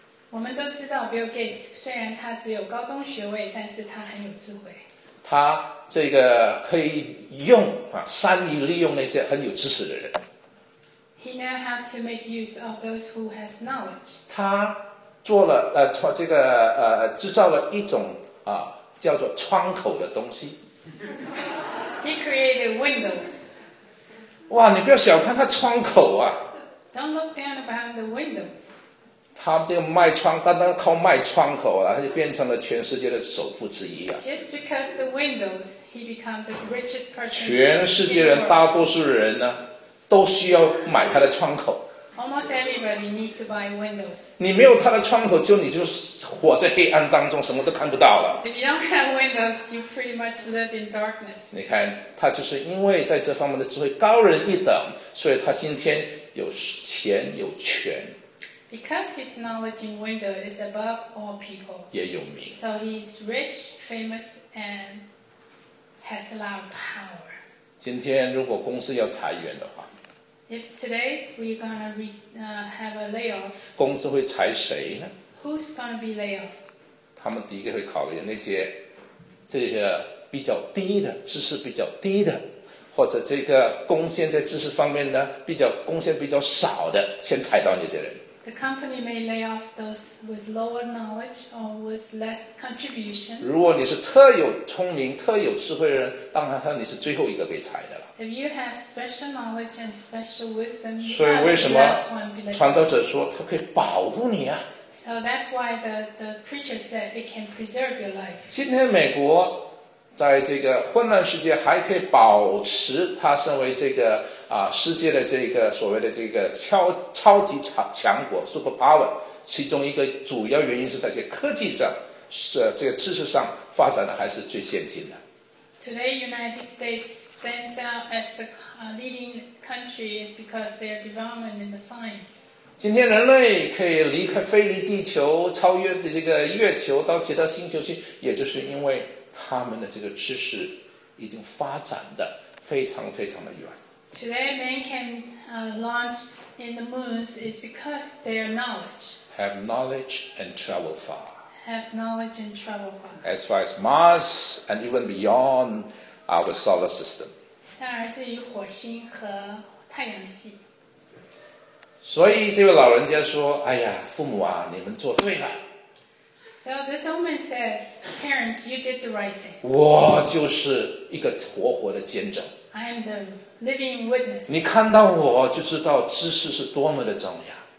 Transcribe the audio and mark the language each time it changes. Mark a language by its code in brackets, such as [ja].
[zh] 我们都知道 Bill Gates 虽然他只有高中学位，但是他很有智慧，他这个可以用善于利用那些很有知识的人。 [en] He now have to make use of those who has knowledge. [zh] 他做了这个制造了一种叫做窗口的东西。 [en] He created windows. [zh] 哇，你不要小看他窗口啊。 [en] Don't look down upon the windows. [zh] 他这个卖窗，单单靠卖窗口啊，他就变成了全世界的首富之一啊。 [en] Just because the windows, he became the richest person. [zh] 全世界人大多数人呢，都需要买他的窗口。 [en] Almost everybody needs to buy windows. [zh] 你没有它的窗口，就你就活在黑暗当中，什么都看不到了。 [en] If you don't have windows, you pretty much live in darkness. [zh] 你看，他就是因为在这方面的智慧高人一等，所以他今天有钱有权。 [en] Because his knowledge in window is above all people. [zh] 也有名。 [en] So he's rich, famous, and has a lot of power. [zh] 今天如果公司要裁员的话。 [en] If today we're gonna have a layoff, [zh] 公司会裁谁呢？ [en] Who's gonna be laid off? [zh] 他们第一个会考虑那些这个比较低的知识比较低的，或者这个贡献在知识方面呢比较贡献比较少的，先裁到那些人。 [en] The company may lay off those with lower knowledge or with less contribution. [zh] 如果你是特有聪明、特有智慧的人，当然你是最后一个被裁的。 [en] If you have special knowledge and special wisdom, [zh] 所以为什么传道者说他可以保护你啊？ [en] So that's why the preacher said it can preserve your life. [zh] 今天美国在这个混乱世界还可以保持他身为这个世界的这个所谓的这个超级强国 super power， 其中一个主要原因是在这科技上，是这个知识上发展的还是最先进的。 [en] Today, United States stands out as the leading country is because their development in the science. [zh] 今天人类可以离开飞离地球，超越的这个月球到其他星球去，也就是因为他们的这个知识已经发展的非常非常的远。 [en] Today, man can launch in the moons is because their knowledge. Have knowledge and travel far. Have knowledge and travel far. As far as Mars and even beyond our solar system. [zh] 像来自于火星和太阳系。所以这位老人家说：“哎呀，父母啊，你们做对了。” [en] So this old man said, "Parents, you did the right thing." [zh] 我就是一个活活的见证。 [en] I am the living witness. [zh] 你看到我就知道知识是多么的重要。